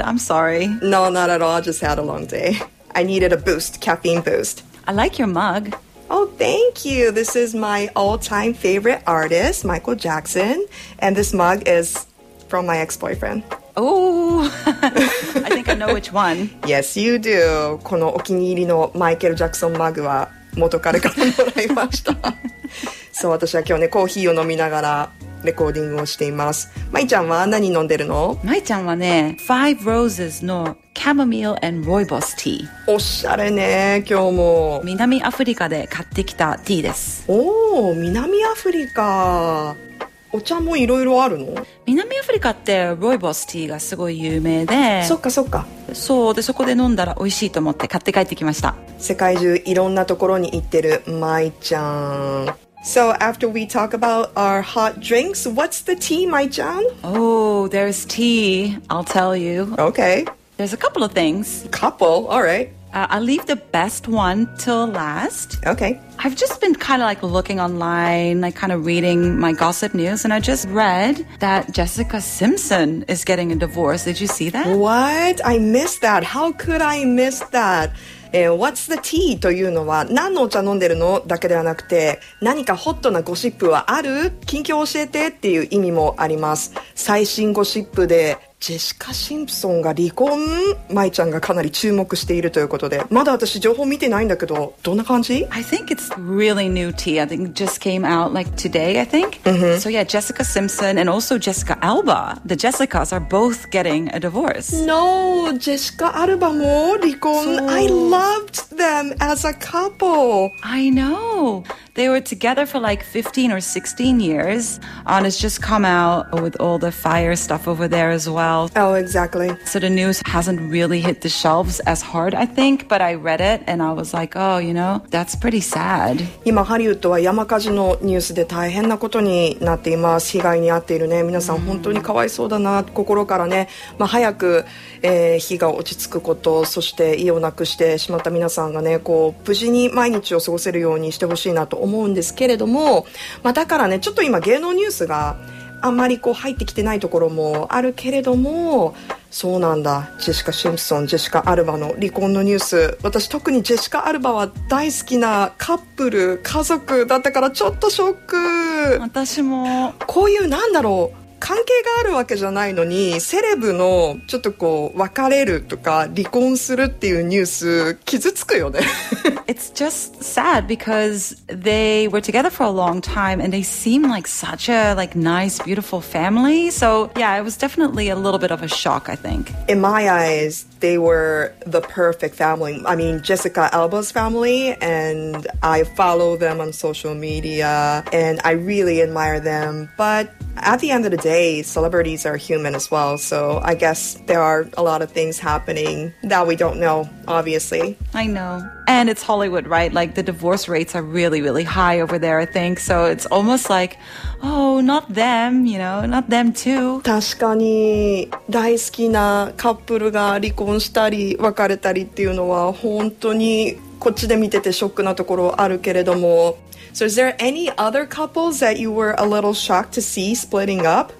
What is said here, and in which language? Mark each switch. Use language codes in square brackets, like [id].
[en] I'm sorry. No, not at all. I just had a long day. I needed a boost, caffeine boost. I like your mug. Oh, thank you. This is my all-time favorite artist, Michael Jackson. And this mug is from my ex-boyfriend. Oh, I think I know which one. Yes, you do. [ja] このお気に入りのマイケル・ジャクソンマグは元彼からもらいました。そう、私は今日ねコーヒーを飲みながらレコーディングをしています。まいちゃんは何飲んでるの？まいちゃんはね、Five Roses のカモミール [en] and Rooibos Tea。 [ja] おしゃれね。今日も南アフリカで買ってきたティーです。おー、南アフリカ、お茶もいろいろあるの？南アフリカってRooibos Teaがすごい有名で。そっかそっか。そうで、そこで飲んだら美味しいと思って買って帰ってきました。世界中いろんなところに行ってるまいちゃん。 [en] So after we talk about our hot drinks, what's the tea, my chan? Oh, there's tea, I'll tell you. Okay. There's a couple of things. Couple? All right. I leave the best one till last. Okay. I've just been kind of like looking online, like kind of reading my gossip news, and I just read that Jessica Simpson is getting a divorce. Did you see that? What? I missed that. How could I miss that? What's the tea? [ja] というのは何のお茶飲んでるのだけではなくて、何かホットなゴシップはある、近況教えてっていう意味もあります。最新ゴシップでジェシカ・シンプソンが離婚、マイちゃんがかなり注目しているということで、まだ私情報見てないんだけど、どんな感じ？ [en] I think it's really new tea. I think it just came out like today, I think. So yeah, Jessica Simpson and also Jessica Alba, the Jessicas are both getting a divorce. No, [ja] ジェシカ・アルバも離婚。 [en] So, I loved them as a couple. I know. They were together for like 15 or 16 years. And it's just come out with all the fire stuff over there as well. Oh, exactly. So the news hasn't really hit the shelves as hard, I think, but I read it and I was like, oh, you know, that's pretty sad. [ja] 今ハリウッドは山火事のニュースで大変なことになっています。被害に遭っているね、皆さん本当にかわいそうだな、心からね、まあ、早く、火が落ち着くこと、そして家をなくしてしまった皆さんがね、こう無事に毎日を過ごせるようにしてほしいなと思うんですけれども、まあ、だからね、ちょっと今芸能ニュースがあんまりこう入ってきてないところもあるけれども、そうなんだ、ジェシカ・シンプソン、ジェシカ・アルバの離婚のニュース。私特にジェシカ・アルバは大好きなカップル、家族だったからちょっとショック。私もこういう、なんだろう、関係があるわけじゃないのにセレブのちょっとこう別れるとか離婚するっていうニュース、傷つくよね。 [en] It's just sad because they were together for a long time and they seem like such a like nice, beautiful family. So yeah, it was definitely a little bit of a shock, I think. In my eyes, they were the perfect family. I mean, Jessica Alba's family, and I follow them on social media and I really admire them. But at the end of the day, celebrities are human as well. So I guess there are a lot of things happening that we don't know, obviously. I know. And it's Hollywood, right? Like the divorce rates are really, really high over there, I think. So it's almost like, oh, not them, you know, not them too. [ja] 確かに大好きなカップルが離婚したり別れたりっていうのは本当にこっちで見ててショックなところあるけれども。 [en] So is there any other couples that you were a little shocked to see splitting up?